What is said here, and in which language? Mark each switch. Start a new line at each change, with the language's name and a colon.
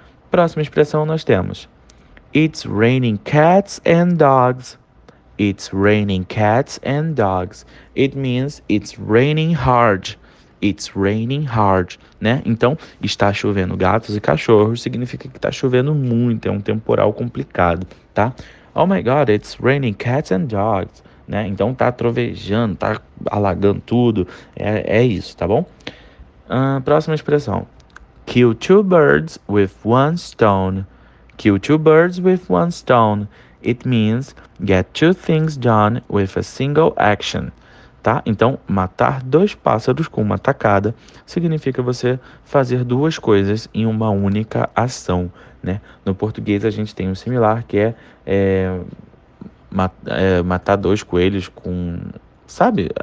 Portuguese: Próxima expressão nós temos:
English: It's raining cats and dogs. It's raining cats and dogs. It means it's raining hard. It's raining hard, né?
Portuguese: Então, está chovendo gatos e cachorros significa que está chovendo muito, é um temporal complicado, tá?
English: Oh my God, it's raining cats and dogs, né?
Portuguese: Então, tá trovejando, tá alagando tudo, é isso, tá bom? Próxima expressão:
English: Kill two birds with one stone. Kill two birds with one stone. It means get two things done with a single action.
Portuguese: Tá? Então, matar dois pássaros com uma tacada significa você fazer duas coisas em uma única ação, né? No português, a gente tem um similar que é matar dois coelhos com. Sabe?